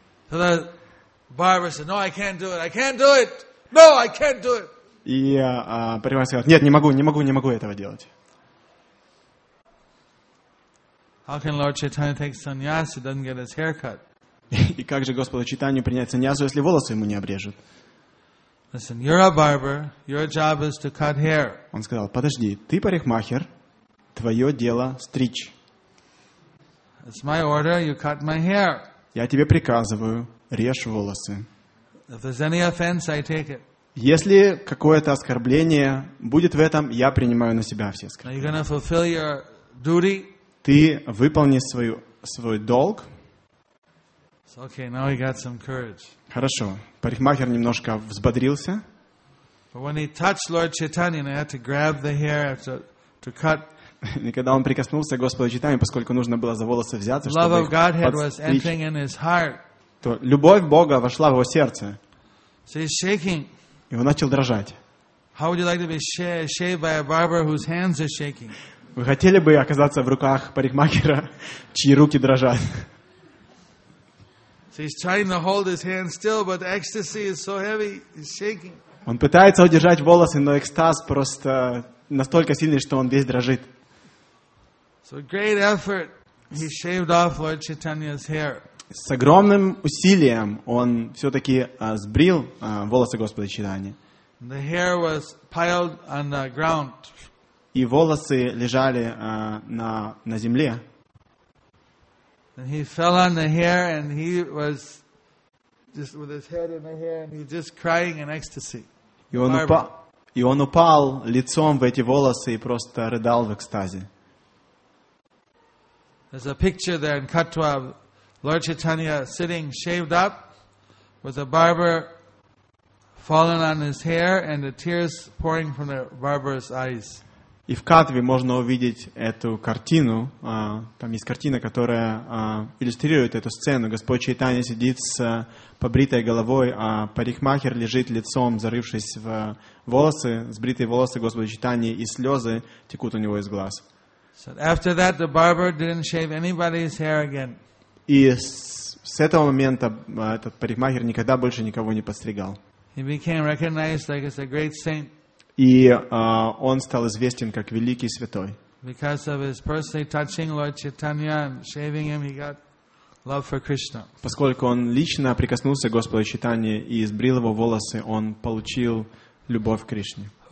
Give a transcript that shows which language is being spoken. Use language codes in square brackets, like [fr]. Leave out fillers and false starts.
[en] So the barber said, no, I can't do it, I can't do it! No, I can't do it! [ru] И парикмахер сказал, нет, не могу этого делать. [en] How can Lord Chaitanya take sannyas if he doesn't get his hair cut? [ru] И как же Господу Чайтанью принять саньясу, если волосы ему не обрежут? [en] Listen, you're a barber. Your job is to cut hair. [ru] Он сказал, подожди, ты парикмахер, твое дело стричь. [en] It's my order, you cut my hair. [ru] Я тебе приказываю, режь волосы. [en] If there's any offense, I take it. [ru] Если какое-то оскорбление будет в этом, я принимаю на себя все оскорбления. [en] You're gonna fulfill your duty? [ru] Ты выполни свой долг. [en] Okay, now he got some courage. [ru] Хорошо. Парикмахер немножко взбодрился. [en] But when he touched Lord Chaitanya, and I had to grab the hair to cut. [ru] И когда он прикоснулся к Господу Чайтанье, поскольку нужно было за волосы взяться, [en] love [ru] чтобы [en] of Godhead [ru] подстричь, [en] was entering in his heart. [ru] То любовь Бога вошла в его сердце. [en] So he's shaking. [ru] И он начал дрожать. [en] How would you like to be shaved by a barber whose hands are shaking? [ru] Вы хотели бы оказаться в руках парикмахера, чьи руки дрожат? [en] He's trying to hold his hand still, but the ecstasy is so heavy, he's shaking. [ru] Он пытается удержать волосы, но экстаз просто настолько сильный, что он весь дрожит. [en] So great effort, he shaved off Lord Chaitanya's hair. [ru] С огромным усилием он все-таки сбрил волосы Господа Чайтаньи. [en] The hair was piled on the ground. [ru] И волосы лежали на земле. [en] And he fell on the hair, and he was just with his head in the hair, and he was just crying in ecstasy. [ru] И он упал лицом в эти волосы и просто рыдал в экстазе. [en] There's a picture there in Katwa, Lord Chaitanya sitting shaved up, with a barber falling on his hair, and the tears pouring from the barber's eyes. [ru] И в Катве можно увидеть эту картину. Там есть картина, которая иллюстрирует эту сцену. Господь Чайтанья сидит с побритой головой, а парикмахер лежит лицом, зарывшись в волосы, сбритые волосы Господа Чайтаньи, и слезы текут у него из глаз. [en] So after that, the barber didn't shave anybody's hair again. [ru] И с этого момента этот парикмахер никогда больше никого не подстригал. [en] He became recognized like as a great saint. [ru] И он стал известен как великий святой. [en] Because of his personally touching Lord Chaitanya and shaving him, he got love for Krishna. [ru] Поскольку он лично прикоснулся к Господу Чайтанье и избрил его волосы, он получил любовь к Кришне.